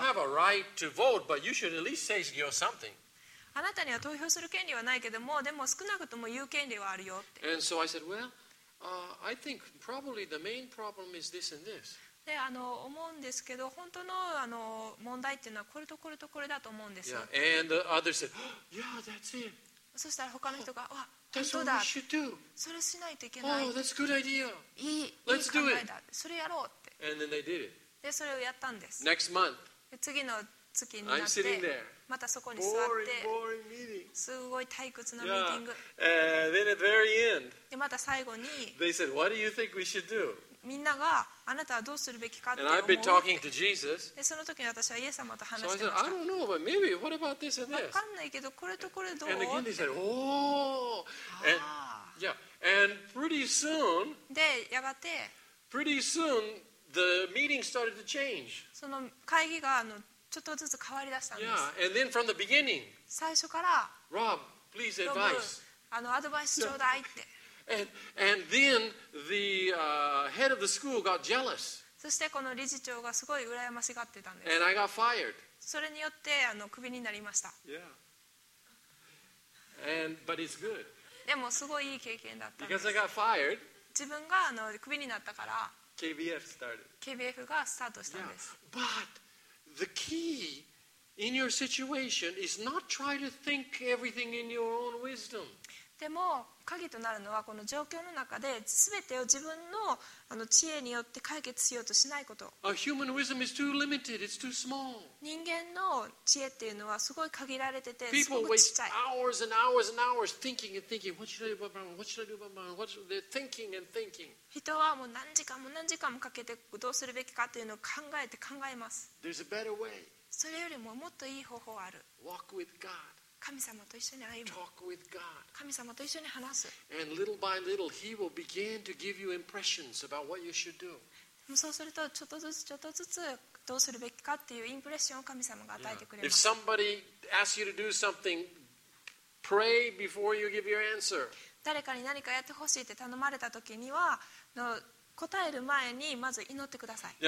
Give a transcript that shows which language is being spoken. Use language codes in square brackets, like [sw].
[en] You don't have a right to vote, but you should at least say you're something. [ja] あなたには投票する権利はないけども、でも少なくとも言う権利はあるよって。 [en] And so I said, well, I think probably the main problem is this and this. [ja] で、思うんですけど、本当の問題っていうのはこれとこれとこれだと思うんですよ。 [en] Yeah. And the others said, oh, yeah, that's it. [ja] そしたら他の人が、わ、本当だ。 [en] That's what we should do. [ja] それしないといけない。 [en] Oh, that's a good idea. [ja] いい考えだ。それやろうって。 [en] And then they did it. [ja] で、それをやったんです。 [en] Next month. [ja] 次の月になって。 [en] I'm sitting there. [ja] またそこに座ってすごい退屈なミーティング、 [en] yeah. then at the very end, [ja] でまた最後に [en] they said, What do you think we should do? [ja] みんながあなたはどうするべきかって思う。 [en] And I've been talking to Jesus. [ja] でその時に私はイエス様と話してました。 [en] So I said, I don't know, but maybe, what about this and this? [ja] わかんないけどこれとこれどう? [en] And again they said, Oh! And, yeah. and pretty soon [ja] でやがて [en] pretty soon the meeting started to change. [ja] その会議がちょっとずつ変わりだしたんです。 [en] Yeah, and then from the beginning, [ja] 最初から、 [en] Rob, please advice. [ja] アドバイスちょうだいって。 [en] and then the head of the school got jealous. [ja] そしてこの理事長がすごい羨ましがってたんです。 [en] And I got fired. [ja] それによってクビになりました。 [en] Yeah. And but it's good. [ja] でもすごいいい経験だったんです。 [en] Because I got fired. [ja] 自分がクビになったから、 [en] KBF started. [ja] KBF がスタートしたんです。 [en] Yeah. But The key in your situation is not try to think everything in your own wisdom. [ja] でも鍵となるのはこの状況の中で全てを自分の知恵によって解決しようとしないこと。 [en] A human wisdom is too limited. It's too small. [ja] 人間の知恵っていうのはすごい限られててすごく小さい。 [en] People waste hours and hours and hours thinking and thinking. What should I do? What should I do? They're thinking and thinking. [ja] 人はもう何時間も何時間もかけてどうするべきかというのを考えて考えます。 [en] There's a better way. [ja] それよりももっといい方法ある。 [en] Walk with God. [ja] 神様と一緒に歩む。 [en] Talk with God. [ja] 神様と一緒に話す。 [en] And little by little, He will begin to give you impressions about what you should do. [ja] そうするとちょっとずつちょっとずつどうするべきかっていうインプレッションを神様が与えてくれます。 [en] Yeah. If somebody asks you to do something, pray before you give your answer. [ja] 誰かに何かやってほしいって頼まれた時には答える前にまず祈ってください。